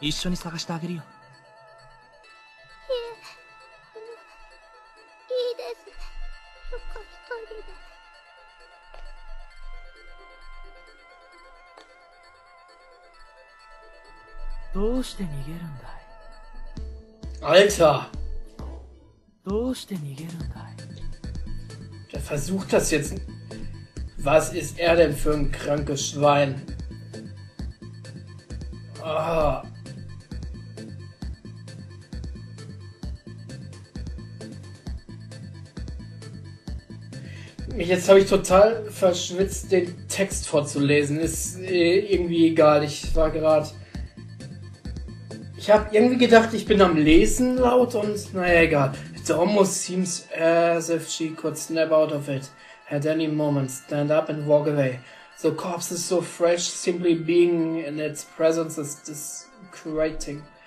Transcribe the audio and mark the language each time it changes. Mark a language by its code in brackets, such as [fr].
[ja] 一緒に探してあげるよ。いいです。そこ一人で。どうして逃げるんだい?アルタ。どうして逃げるんだい? [de] Der versucht das jetzt. Was ist er denn für ein krankes Schwein? Ah. Jetzt habe ich total verschwitzt, den Text vorzulesen. Ist irgendwie egal. Ich habe irgendwie gedacht, ich bin am Lesen laut und naja, egal. [en] It almost seems as if she could snap out of it at any moment, stand up and walk away. The corpse is so fresh, simply being in its presence is disquieting.